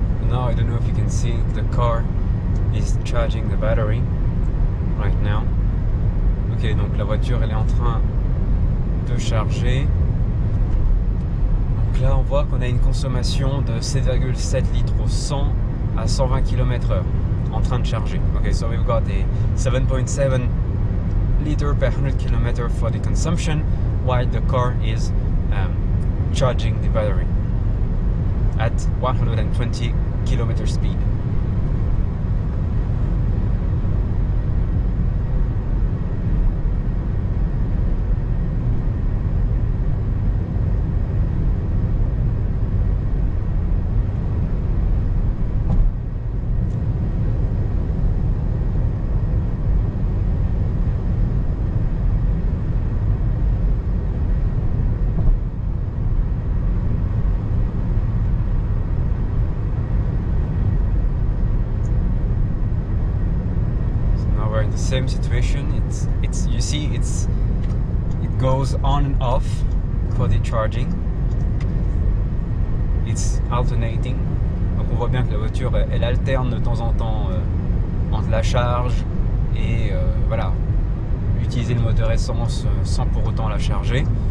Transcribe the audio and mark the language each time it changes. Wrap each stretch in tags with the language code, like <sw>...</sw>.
<en>I don't know if you can see, the car is charging the battery right now.</en> <fr>Ok, donc la voiture elle est en train de charger. Donc là on voit qu'on a une consommation de 7,7 litres au 100 à 120 km/h en train de charger.</fr> <en>Ok, so we've got a 7.7 liter per 100 km for the consumption while the car is charging the battery at 120 km speed. Same situation, it's you see it goes on and off for the charging, it's alternating.</en> <fr>Donc on voit bien que la voiture elle alterne de temps en temps entre la charge et voilà, utiliser le moteur essence sans pour autant la charger.</fr>